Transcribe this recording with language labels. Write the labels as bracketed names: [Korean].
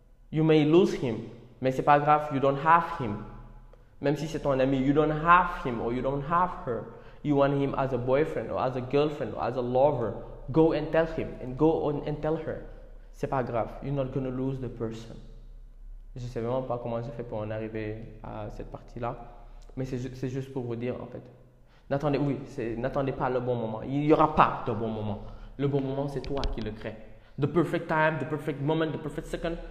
[English] You may lose him, [French] mais c'est pas grave, [English] you don't have him. [French] Même si c'est ton ami, [English] you don't have him or you don't have her. You want him as a boyfriend or as a girlfriend or as a lover. Go and tell him and go on and tell her. [French] C'est pas grave, [English] you're not gonna lose the person. [French] Je sais vraiment pas comment j'ai fait pour en arriver à cette partie-là, mais c'est juste pour vous dire en fait. N'attendez, oui, c'est n'attendez pas le bon moment. Il y aura pas de bon moment. Le bon moment, c'est toi qui le crée. [English] The perfect time, the perfect moment, the perfect second.